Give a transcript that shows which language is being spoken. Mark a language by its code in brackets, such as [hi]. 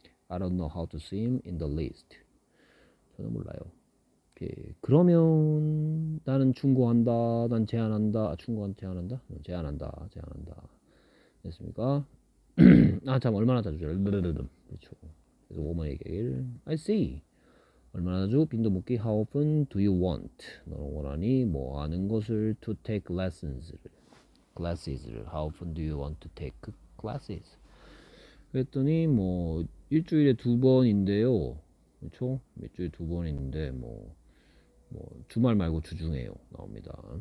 [en] I don't know how to swim in the least. [ko] 전혀 몰라요. 그러면 나는 충고한다, 난 제안한다, 충고한 제안한다, 제안한다, 제안한다, 됐습니까? 아, 참 얼마나 자주 그렇죠. 그래서 워머니에게 [en] I see. [ko] 얼마나 자주? 빈도 묻기. [en] How often do you want? [ko] 너는 원하니 뭐 하는 것을 [en] to take lessons를, classes를. How often do you want to take classes? [ko] 그랬더니 뭐 일주일에 두 번인데요, 그렇죠? 일주일에 두 번인데 뭐 주말 말고 주중에요 나옵니다.